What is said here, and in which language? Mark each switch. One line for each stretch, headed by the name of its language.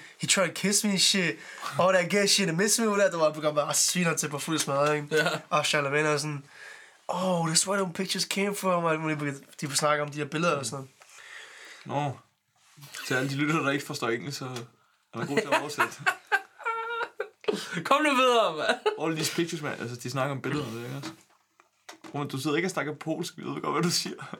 English: He tried to kiss me and shit. All that gay shit, and miss me with that.
Danish: Og jeg begyndte bare at svine til på fuld smadret, ikke?
English: Yeah.
Danish: Og Charlemagne er sådan...
English: Oh, that's where them pictures came from.
Danish: De snakker om de her billeder og sådan noget. Nå. Så alle de lytter, der ikke forstår engelsk, så er der god til at oversætte. Kom nu videre, mand.
English: All these pictures, man.
Danish: Altså, de snakker om billeder, ikke også? Prøv, du sidder ikke og snakker polsk. Vi ved godt, hvad du siger.